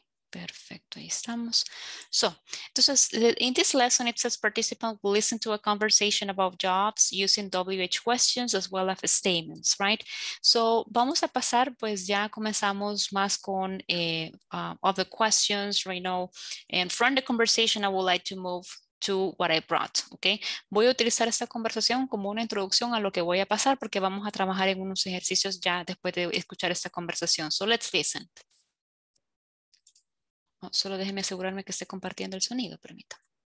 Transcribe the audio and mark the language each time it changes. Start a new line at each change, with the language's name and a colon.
Spanish: Perfecto, ahí estamos.
English: So, entonces, in this lesson, it says participants will listen to a conversation about jobs using WH questions as well as statements, right?
Spanish: So, vamos a pasar, pues ya comenzamos más con
English: other questions right now. And from the conversation, I would like to move to what I brought, okay?
Spanish: Voy a utilizar esta conversación como una introducción a lo que voy a pasar porque vamos a trabajar en unos ejercicios ya después de escuchar esta conversación.
English: So, let's listen.
Spanish: No, solo déjeme asegurarme que esté compartiendo el sonido, permítame.